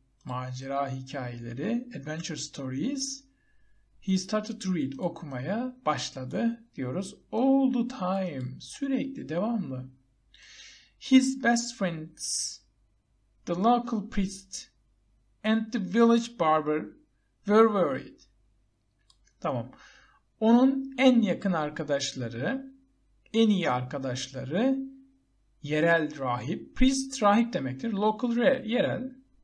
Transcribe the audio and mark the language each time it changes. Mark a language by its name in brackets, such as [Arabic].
[Turkish] Macera hikayeleri, [English] adventure stories, he started to read, [Turkish] okumaya başladı diyoruz. [English] All the time, [Turkish] sürekli, devamlı. [English] His best friends, the local priest and the village barber were worried. [Turkish] Tamam. Onun en yakın arkadaşları, en iyi arkadaşları, yerel rahip, priest rahip demektir, local yerel.